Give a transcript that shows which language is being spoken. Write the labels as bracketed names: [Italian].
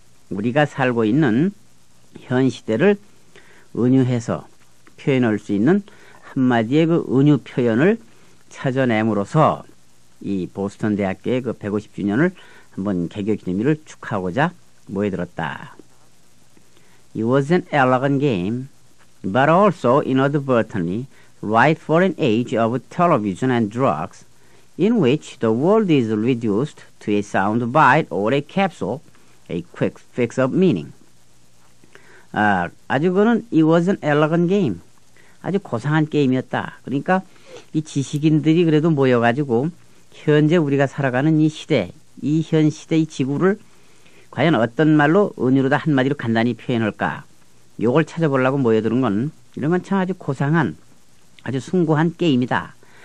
[Korean] 우리가 살고 있는 현 시대를 은유해서 표현할 수 있는 한마디의 그 은유 표현을 찾아내므로서 이 보스턴 대학교의 그 150주년을 한번 개교 기념일을 축하하고자 모여들었다. [English] It was an elegant game, but also inadvertently right for an age of television and drugs in which the world is reduced to a sound bite or a capsule, a quick fix of meaning. [Korean] 아주 그는 [English] it was an elegant game. [Korean] 아주 고상한 게임이었다. 그러니까 이 지식인들이 그래도 모여가지고 현재 우리가 살아가는 이 시대, 이 현 시대, 이 지구를 과연 어떤 말로 은유로다 한마디로 간단히 표현할까? 요걸 찾아보려고 모여드는 건 이런 건 참 아주 고상한, 아주 숭고한 게임이다.